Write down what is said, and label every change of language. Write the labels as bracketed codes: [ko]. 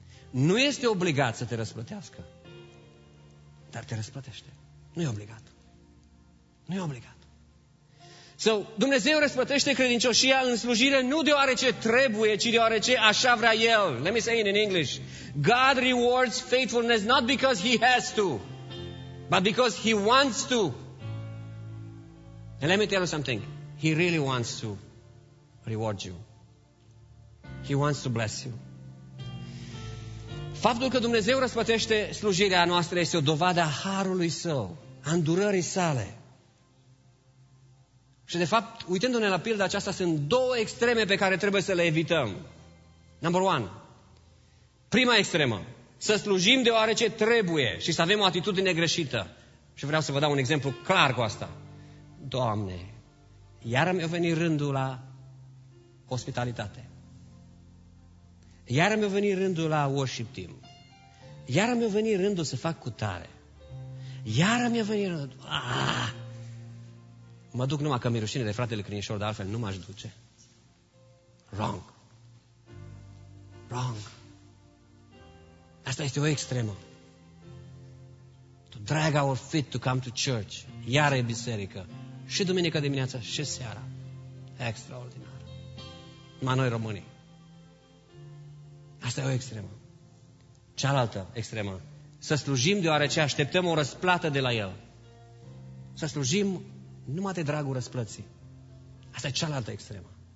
[ro] Nu este obligat să te răsplătească, dar te răsplătește. Nu e obligat. Nu e obligat. So, Dumnezeu răsplătește credincioșia în slujire nu deoarece trebuie, ci deoarece așa vrea El. [en] Let me say it in English. God rewards faithfulness not because He has to, but because He wants to. And let me tell you something. He really wants to reward you. He wants to bless you. [ro] Faptul că Dumnezeu răsplătește slujirea noastră este o dovadă a harului Său, a îndurării Sale. Și de fapt, uitându-ne la pilda aceasta, sunt două extreme pe care trebuie să le evităm. [en] Number one. [ro] Prima extremă. Să slujim deoarece trebuie și să avem o atitudine greșită. Și vreau să vă dau un exemplu clar cu asta. Doamne, iar mi-a venit rândul la ospitalitate. Iar mi-a venit rândul la worship team. Iar mi-a venit rândul să fac cutare. Iar mi-a venit rândul. Mă duc numai că mi-e rușine de fratele Crinișor, dar altfel nu m-aș duce. [en] Wrong. Wrong. [ro] Asta este o extremă. [en] To drag our feet to come to church. [ro] Iar e biserică. Și duminică dimineața și seara. Extraordinar. Numai noi românii. Asta e o extremă. Cealaltă extremă. Să slujim deoarece așteptăm o răsplată de la El. Să slujim numai de dragul răsplății. Asta e cealaltă extremă.